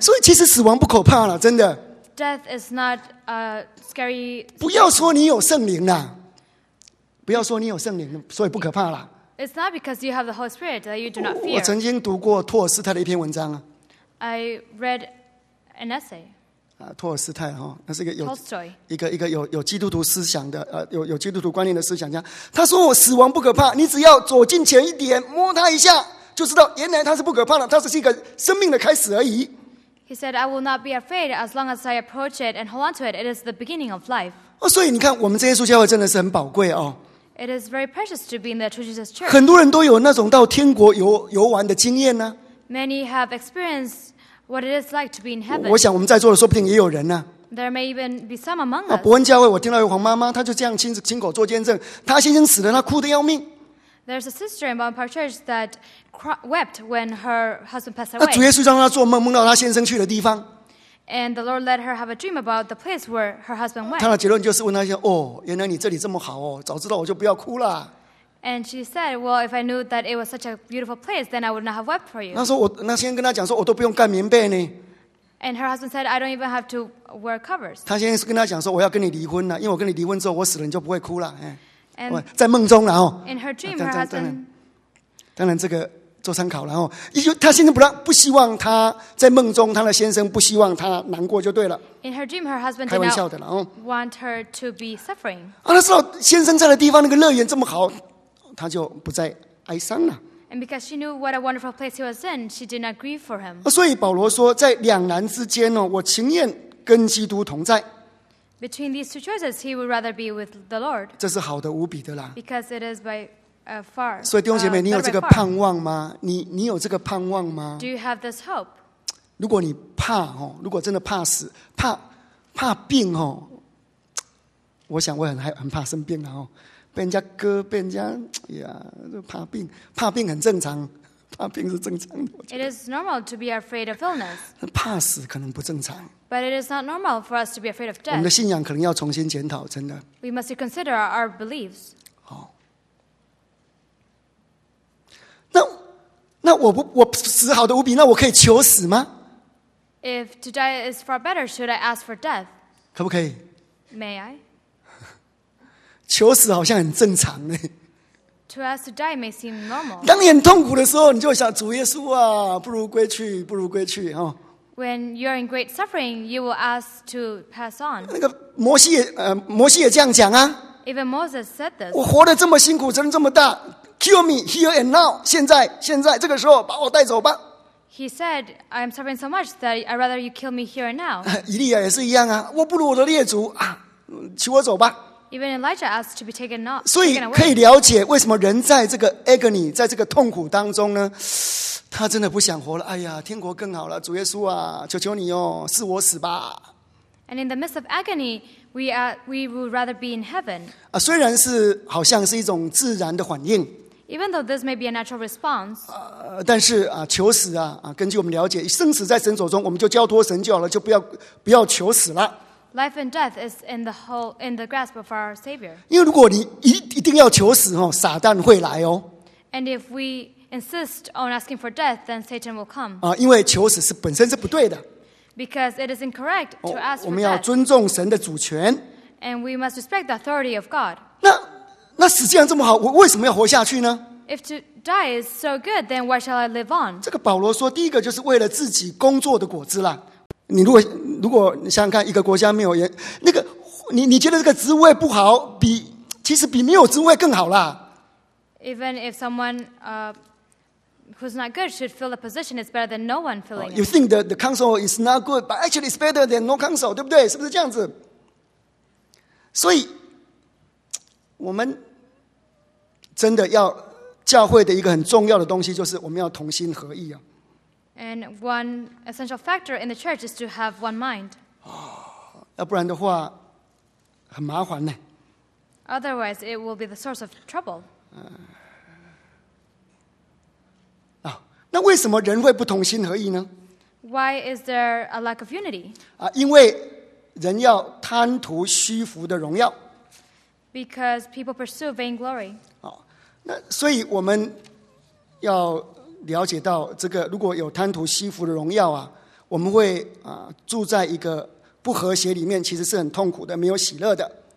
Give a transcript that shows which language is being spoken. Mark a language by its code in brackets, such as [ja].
[zh] 所以其实死亡不可怕了，真的。 [en] Death is not a scary. [zh] 不要说你有圣灵啦，不要说你有圣灵，所以不可怕了。 [en] It's not because you have the Holy Spirit that you do not fear. [zh] 我曾经读过托尔斯泰的一篇文章啊。 [en] I read an essay. [zh] 啊，托尔斯泰哈，那是一个有 [en] Tolstoy [zh] 一个有基督徒思想的有基督徒观念的思想家。他说我死亡不可怕，你只要走近前一点，摸他一下，就知道原来他是不可怕的，他只是一个生命的开始而已。 [en] He said, "I will not be afraid as long as I approach it and hold on to it. It is the beginning of life." [zh] 哦，所以你看，我们这耶稣教会真的是很宝贵哦。 [en] It is very precious to be in the True Jesus Church. [zh] 很多人都有那种到天国游玩的经验呢。 [en] Many have experienced what it is like to be in heaven. [zh] 我想我们在座的说不定也有人呢。 [en] There may even be some among us. [zh] 伯恩教会，我听到一个黄妈妈，她就这样亲口做见证，她先生死了，她哭得要命。 [en] There's a sister in Bonaparte Church that wept when her husband passed away. [zh] 那主耶稣让她做梦，梦到她先生去的地方。 [en] And the Lord let her have a dream about the place where her husband went. [zh] 她的结论就是问她先生：“哦，原来你这里这么好哦，早知道我就不要哭了。” [en] And she said, "Well, if I knew that it was such a beautiful place, then I would not have wept for you." [zh] 那时候我那先生跟她讲说：“我都不用盖棉被呢。” [en] And her husband said, "I don't even have to wear covers." [zh] 她先生是跟她讲说：“我要跟你离婚了，因为我跟你离婚之后，我死了你就不会哭了。哎”我在梦中了哦。 [en] In her dream, her husband. [zh] 当然这个。做参考然后他先生 不希望他在梦中他的先生不希望他难过就对了 [en] In her dream, her husband [zh] 开玩笑的了 [en] want her to be suffering [zh] 他知道先生在的地方那个乐园这么好他就不再哀伤了 [en] and because she knew what a wonderful place he was in she did not grieve for him [zh] 所以保罗说在两难之间我情愿跟基督同在 [en] between these two choices he would rather be with the Lord [zh] 这是好的无比的啦 [en] because it is by far, [zh] 所以弟兄姐妹你有这个盼望吗 你有这个盼望吗 [en] Do you have this hope? [zh] 如果你怕、哦、如果真的怕死 怕病、哦、我想我 很怕生病、啊哦、被人家割被人家、哎、怕病怕病很正常怕病是正常的 [en] It is normal to be afraid of illness [zh] 怕死可能不正常 [en] But it is not normal for us to be afraid of death [zh] 我们的信仰可能要重新检讨真的 [en] We must consider our beliefs [zh] 那我死好的无比，那我可以求死吗 [en] ？If to die is far better, should I ask for death? [zh] 可不可以 [en] ？May I? [zh] 求死好像很正常呢。 [en] To ask to die may seem normal. [zh] 当你很痛苦的时候，你就想主耶稣啊，不如归去，不如归去哈。 [en] When you are in great suffering, you will ask to pass on. [zh] 那个摩西也这样讲啊。 [en] Even Moses said this. [zh] 我活得这么辛苦，责任这么大。 [en] Kill me here and now. [zh] 现在这个时候把我带走吧。 [en] He said, "I'm suffering so much that I'd rather you kill me here and now." [zh] 以利亚也是一样啊，我不如我的列祖啊，取我走吧。 [en] Even Elijah asked to be taken away. [zh] 所以可以了解为什么人在这个 agony， 在这个痛苦当中呢，他真的不想活了。哎呀，天国更好了，主耶稣啊，求求你哦，是我死吧。 [en] And in the midst of agony, we would rather be in heaven. [zh] 啊，虽然是好像是一种自然的反应。 [en] Even though this may be a natural response, [zh] 但是啊，求死啊啊，根据我们了解，生死在神手中，我们就交托神就好了，就不要求死了。 [en] Life and death is in the grasp of our Savior. [zh] 因为如果你一定要求死哦，撒旦会来哦。 [en] And if we insist on asking for death, then Satan will come. [zh] 啊，因为求死是本身是不对的。 [en] Because it is incorrect to ask for death. [zh] 我们要尊重神的主权。 [en] And we must respect the authority of God. [zh] 那死既然这么好，我为什么要活下去呢 [en] ？If to die is so good, then why shall I live on？ [zh] 这个保罗说，第一个就是为了自己工作的果子啦。你如果你想想看，一个国家没有人，那个你觉得这个职位不好，其实比没有职位更好啦。 [en] Even if someone who's not good should fill the position, it's better than no one filling. You think the council is not good, but actually it's better than no council, [zh] 对不对？是不是这样子？所以。我们真的要教会的一个很重要的东西，就是我们要同心合意啊。 [en] And one essential factor in the church is to have one mind. [zh] 要不然的话，很麻烦呢。 [en] Otherwise, it will be the source of trouble. [zh] 那为什么人会不同心合意呢 [en] Why is there a lack of unity? [zh] 因为人要贪图虚浮的荣耀。 [en] Because people pursue vainglory. [zh] 那所以我们要了解到这个，如果有贪图虚浮的荣耀啊，我们会住在一个不和谐里面，其实是很痛苦的，没有喜乐的。